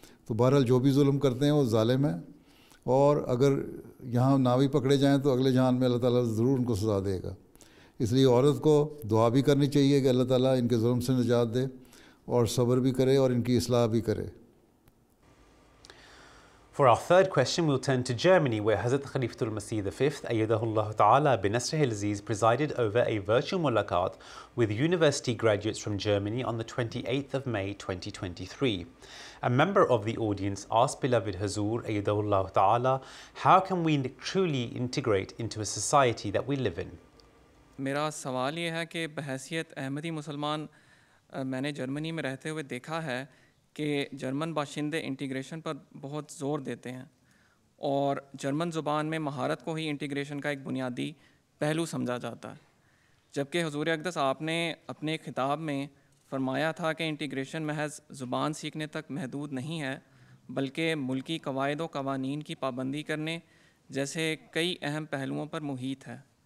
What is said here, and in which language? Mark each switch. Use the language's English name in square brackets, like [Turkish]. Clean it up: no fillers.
[Urdu] تو بہرحال جو بھی ظلم کرتے ہیں وہ ظالم ہیں، اور اگر یہاں نہ بھی پکڑے جائیں تو اگلے جہان میں اللہ تعالیٰ ضرور ان کو سزا دے گا. اس لیے عورت کو دعا بھی کرنی چاہیے کہ اللہ تعالیٰ ان کے ظلم سے نجات دے، اور صبر بھی کرے اور ان کی اصلاح بھی کرے. [English] For our third question, we'll turn to Germany, where Hazrat Khalifatul-Masih V, ayyadahullahu ta'ala binasrihi al-aziz, presided over a virtual mulaqat with university graduates from Germany on the 28th of May 2023. A member of the audience asked beloved Hazur, ayyadahullahu ta'ala, how can we truly integrate into a society that we live in? [Urdu] میرا سوال یہ ہے کہ بحیثیت احمدی مسلمان میں نے جرمنی میں رہتے ہوئے دیکھا ہے کہ جرمن باشندے انٹیگریشن پر بہت زور دیتے ہیں، اور جرمن زبان میں مہارت کو ہی انٹیگریشن کا ایک بنیادی پہلو سمجھا جاتا ہے، جبکہ حضور اقدس آپ نے اپنے خطاب میں فرمایا تھا کہ انٹیگریشن محض زبان سیکھنے تک محدود نہیں ہے، بلکہ ملکی قواعد و قوانین کی پابندی کرنے جیسے کئی اہم پہلوؤں پر محیط ہے.